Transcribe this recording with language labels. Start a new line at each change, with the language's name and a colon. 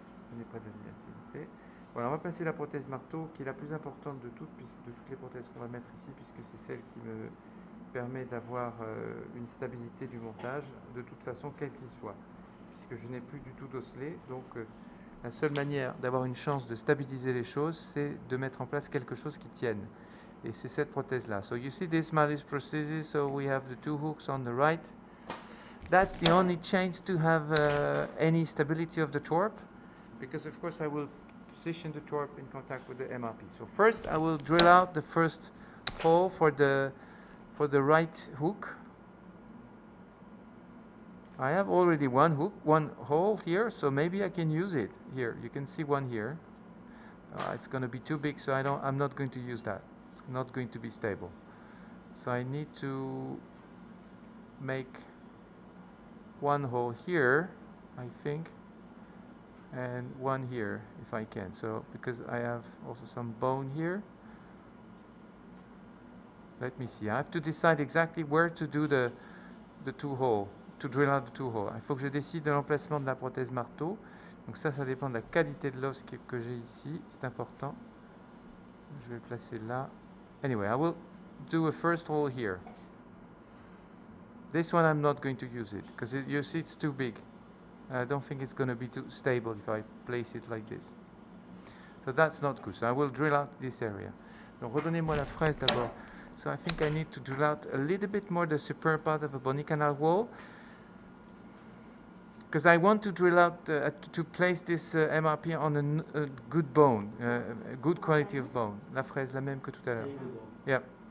French: Prenez pas de lumière, s'il vous plaît. Voilà, on va passer la prothèse marteau, qui est la plus importante de toutes les prothèses qu'on va mettre ici, puisque c'est celle qui me permet d'avoir une stabilité du montage, de toute façon, quel qu'il soit, puisque je n'ai plus du tout d'osselet. Donc, la seule manière d'avoir une chance de stabiliser les choses, c'est de mettre en place quelque chose qui tienne. Et c'est cette prothèse-là.
English: So, you see this malleus prosthesis, so we have the two hooks on the right. That's the only change to have any stability of the TORP, because of course I will position the TORP in contact with the MRP. So first I will drill out the first hole for the right hook. I have already one hole here, so maybe I can use it here. You can see one here. It's going to be too big, so I'm not going to use that. It's not going to be stable. So I need to make one hole here, I think, and one here, if I can. So, because I have also some bone here. Let me see. I have to decide exactly where to do the two hole, to drill out the two hole.
French: Il faut que je décide de l'emplacement de la prothèse marteau. Donc ça dépend de la qualité de l'os que j'ai ici. C'est important. Je vais placer là.
English: Anyway, I will do a first hole here. This one I'm not going to use it, because you see it's too big. I don't think it's going to be too stable if I place it like this. So that's not good. So I will drill out this area.
French: Donc redonnez-moi la fraise d'abord.
English: So I think I need to drill out a little bit more the superior part of a bony canal wall. Because I want to drill out, to place this MRP on a good quality of bone.
French: La fraise, la même que tout à l'heure. Yeah.